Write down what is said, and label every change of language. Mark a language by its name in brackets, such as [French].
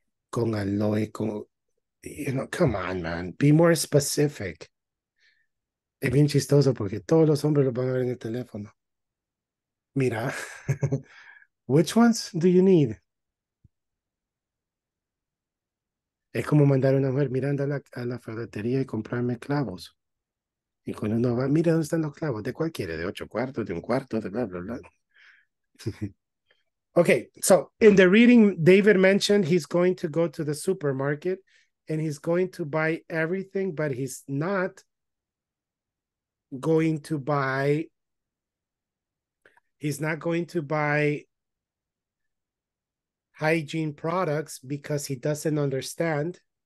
[Spanish] Con aloe, con, [English] you know, come on, man, be more specific. [Spanish] Es bien chistoso porque todos los hombres lo van a ver en el teléfono. Mira. [English] Which ones do you need? [Spanish] Es como mandar a una mujer mirando a la ferretería y comprarme clavos. Y cuando uno va, mira dónde están los clavos. ¿De cuál quiere? ¿De 8 cuartos? ¿De 1/4? De bla, bla, bla. [English] Okay, so in the reading, David mentioned he's going to go to the supermarket and he's going to buy everything, but he's not going to buy, he's not going to buy hygiene products because he doesn't understand.